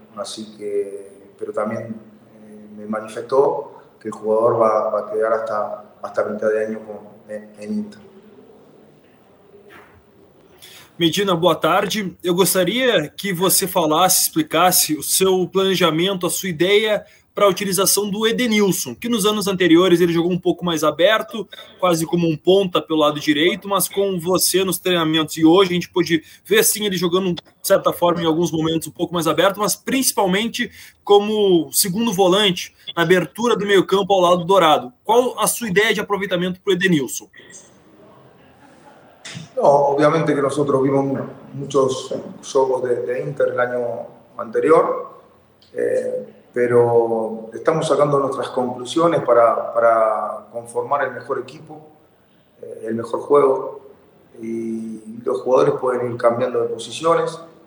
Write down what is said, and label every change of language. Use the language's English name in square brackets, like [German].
[Spanish] Así que, pero también me manifestó que el jugador va a quedar hasta mitad de año en Inter. [Portuguese] Medina, boa tarde. Eu gostaria que você falasse, explicasse o seu planejamento, a sua ideia para a utilização do Edenilson, que nos anos anteriores ele jogou um pouco mais aberto, quase como um ponta pelo lado direito, mas com você nos treinamentos e hoje a gente pôde ver sim ele jogando, de certa forma, em alguns momentos um pouco mais aberto, mas principalmente como segundo volante, na abertura do meio campo ao lado do Dourado. Qual a sua ideia de aproveitamento para o Edenilson? [Spanish] No, [Portuguese] obviamente que nós vimos muitos jogos de Inter no ano anterior, [Spanish] pero estamos sacando nuestras conclusiones para conformar el mejor equipo, el mejor juego, y los jugadores pueden ir cambiando de posiciones.